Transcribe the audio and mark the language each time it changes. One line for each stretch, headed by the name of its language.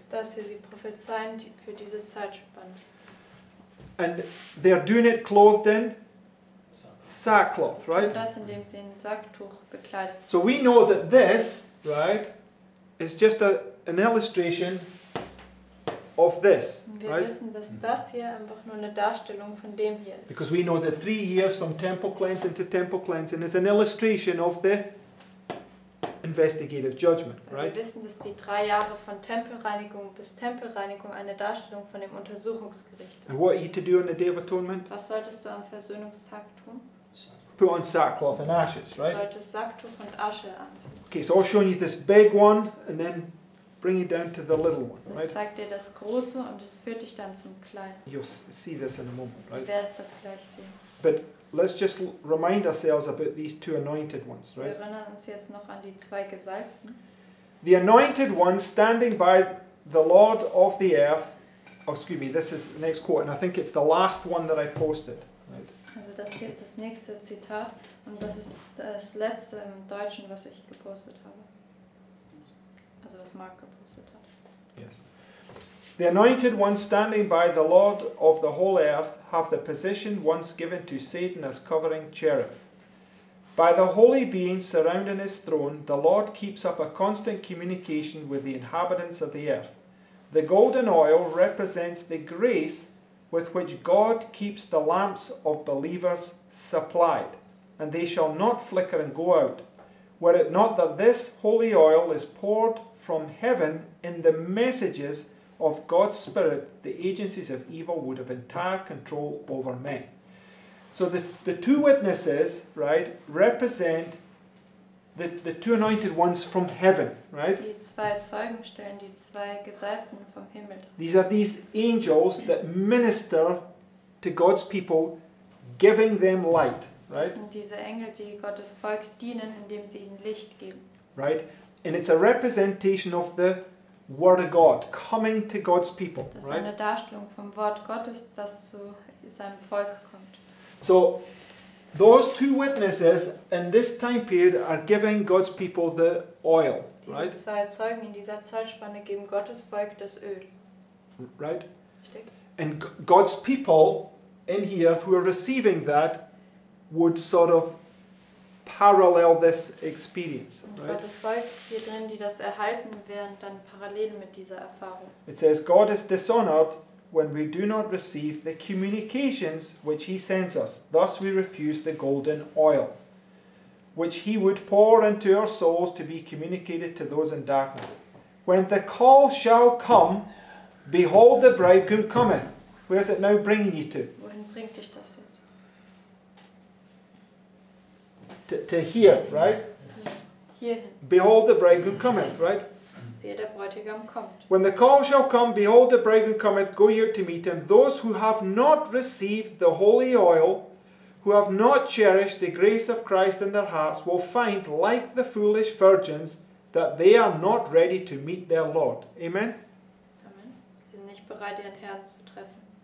German: Das hier, sie prophezeien für diese Zeitspanne.
English: And they're doing it clothed in sackcloth, right?
German: Das, indem sie in Sacktuch bekleidet sind.
English: So we know that this, right, is just an illustration of this,
German: wir
English: right?
German: Wir wissen, dass das hier einfach nur eine Darstellung von dem hier ist.
English: Because we know that 3 years from temple cleansing to temple cleansing is an illustration of the investigative judgment, right?
German: Wir wissen, dass die 3 Jahre von Tempelreinigung bis Tempelreinigung eine Darstellung von dem Untersuchungsgericht ist.
English: And what are you to do on the Day of Atonement?
German: Was solltest du am Versöhnungstag tun?
English: Put on sackcloth and ashes, right?
German: Du solltest Sacktuch und Asche anziehen.
English: Okay, so I'll show you this big one and then bring it down to the little one, right?
German: Das zeigt dir das Große und es führt dich dann zum Kleinen.
English: You'll see this in a moment, right?
German: Wir werden das gleich sehen.
English: But let's just remind ourselves about these two anointed ones, right?
German: Wir erinnern uns jetzt noch an die zwei Gesalbten.
English: The anointed one standing by the Lord of the earth. Oh, excuse me, this is the next quote, and I think it's the last one that I posted. Right?
German: Also das ist jetzt das nächste Zitat, und das ist das letzte im Deutschen, was ich gepostet habe. Also was Mark gepostet hat.
English: Yes. The anointed one standing by the Lord of the whole earth have the position once given to Satan as covering cherub. By the holy beings surrounding his throne, the Lord keeps up a constant communication with the inhabitants of the earth. The golden oil represents the grace with which God keeps the lamps of believers supplied, and they shall not flicker and go out. Were it not that this holy oil is poured from heaven in the messages of God's Spirit, the agencies of evil would have entire control over men. So the two witnesses, right, represent the two anointed ones from heaven, right?
German: Die zwei Zeugen stellen die zwei Gesalbten vom Himmel.
English: These are these angels that minister to God's people, giving them light, right?
German: Das sind diese Engel, die Gottes Volk dienen, indem sie ihnen Licht geben.
English: Right? And it's a representation of the Word of God coming to God's people.
German: Das ist eine Darstellung vom Wort Gottes, das zu seinem Volk kommt.
English: So, those two witnesses in this time period are giving God's people the oil, right?
German: Diese zwei Zeugen in dieser Zeitspanne geben Gottes Volk das Öl.
English: Right?
German: Richtig.
English: And God's people in here who are receiving that would sort of parallel this experience, right?
German: Gottes Volk hier drin, die das erhalten, wären dann parallel mit dieser Erfahrung.
English: It says, God is dishonored when we do not receive the communications which he sends us. Thus we refuse the golden oil, which he would pour into our souls to be communicated to those in darkness. When the call shall come, behold, the bridegroom cometh. Where is it now bringing you to?
German: Wohin bringt dich das jetzt?
English: To here, right?
German: Hierhin.
English: Behold, the bridegroom cometh, right?
German: Siehe, der Bräutigam kommt.
English: When the call shall come, behold, the bridegroom cometh, go ye out to meet him. Those who have not received the holy oil, who have not cherished the grace of Christ in their hearts, will find, like the foolish virgins, that they are not ready to meet their Lord. Amen? Amen.
German: Sie sind nicht bereit, ihren Herrn zu treffen.